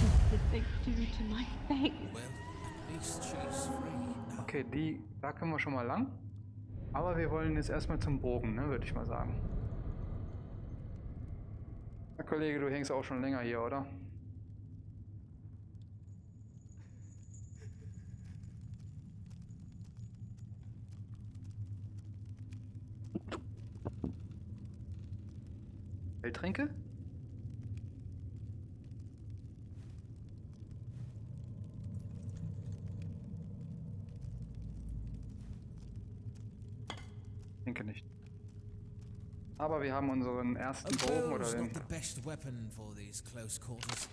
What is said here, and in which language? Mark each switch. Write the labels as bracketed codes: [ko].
[en] What did they do to my face? Well, at least she's free now. [de] Okay, da können wir schon mal lang. Aber wir wollen jetzt erstmal zum Bogen, ne, würde ich mal sagen. Na, Kollege, du hängst auch schon länger hier, oder? Heiltränke? Nicht. Aber wir haben unseren ersten Bogen oder den. [en] The best weapon for these close quarters.